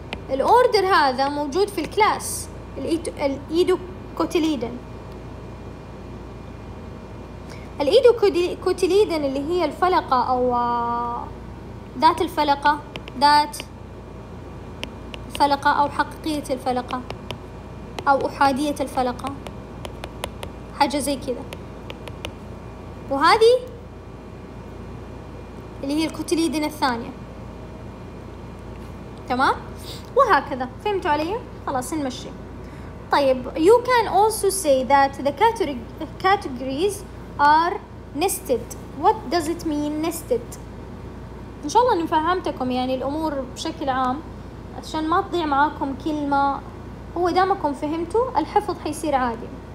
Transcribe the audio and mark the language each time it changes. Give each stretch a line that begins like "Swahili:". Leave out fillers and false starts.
Arabic: الأوردر هذا موجود في الكلاس الإيدوكوتيليدن، الإيدوكوتيليدن اللي هي الفلقة أو ذات الفلقة، ذات فلقة أو حقيقية الفلقة أو أحادية الفلقة، حاجة زي كذا. وهذه اللي هي الكوتليدن الثانية، تمام؟ وهكذا. فهمتوا علي؟ خلاص نمشي.
English: طيب you can also say that the categories are nested. What does it mean nested؟
Arabic: إن شاء الله نفهمتكم يعني الأمور بشكل عام عشان ما تضيع معاكم كلمة، هو دامكم فهمتوا الحفظ حيصير عادي.